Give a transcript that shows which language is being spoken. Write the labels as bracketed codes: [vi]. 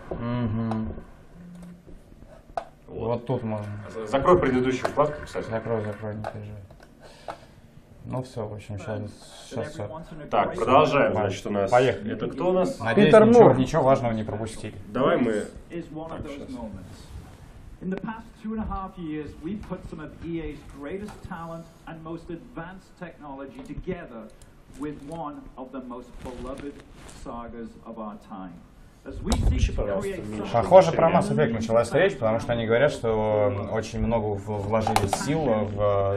[ru] Угу. Вот. Вот тут можно. Закрой предыдущую вкладку, кстати. Закрой, закрой, не переживай. Ну все, в общем, сейчас все. Так, продолжаем. Значит, у нас... Поехали. Это кто у нас? Надеюсь, Питер Мур. Ничего важного не пропустили. Давай мы... Так, сейчас. [en] In the past 2.5 years, we've put some of EA's greatest talent and most advanced technology together with one of the most beloved sagas of our time. As we seek to create... [ru] Похоже, про Mass Effect началась речь, потому что они говорят, что очень много вложили сил в